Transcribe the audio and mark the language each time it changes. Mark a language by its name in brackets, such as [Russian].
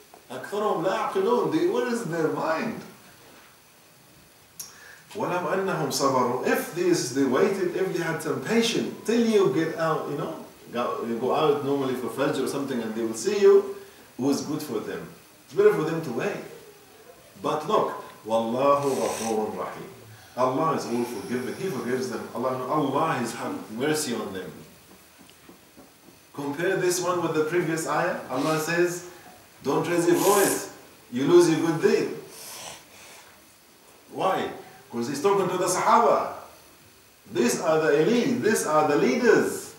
[Arabic] أَكْثَرُهُمْ لَا يَعْقِلُونَ. [English] What is their mind? [Arabic] وَلَمْ أَنَّهُمْ صَبَرُوا. [English] If they waited, if they had some patience, till you get out, you know, you go out normally for Fajr or something and they will see you, it was good for them. It's better for them to wait. But look, [Arabic] وَاللَّهُ غَفُورٌ رَحِيمٌ. [English] Allah is all forgiving. He forgives them. Allah has had mercy on them. Compare this one with the previous ayah. Allah says, don't raise your voice. You lose your good deed. Why? Because he's talking to the Sahaba. These are the elite, these are the leaders.